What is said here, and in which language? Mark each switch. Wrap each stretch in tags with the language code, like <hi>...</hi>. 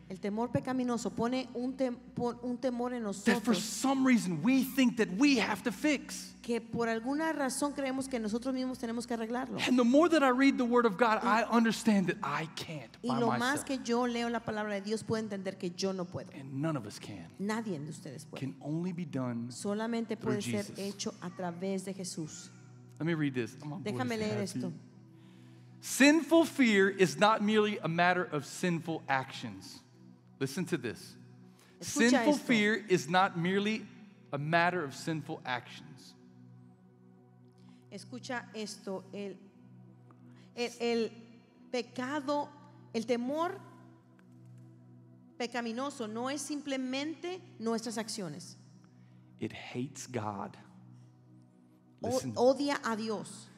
<es>El temor pecaminoso pone un temor en nosotros.</es> <en>That for some reason we think that we have to fix.</en> <es>Que por alguna razón creemos que nosotros mismos tenemos que arreglarlo.</es> <en>And the more that I read the Word of God, I understand that I can't by myself.</en> <es>Y lo más que yo leo la palabra de Dios puedo entender que yo no puedo.</es> <en>And none of us can.</en> <es>Nadie de ustedes puede.</es> <en>Can only be done.</en> <es>Solamente puede ser hecho a través de Jesús.</es> <en>Let me read this.</en> <es>Déjame leer esto.</es> <en>Sinful fear is not merely a matter of sinful actions. Listen to this.</en> <es>Escucha</es> <en>sinful</en> <es>esto.</es> <en>Fear is not merely a matter of sinful actions.</en> <es>Escucha esto. El pecado, el temor pecaminoso no es simplemente nuestras acciones.</es> <en>It hates God.</en> <es>Odia a Dios.</es>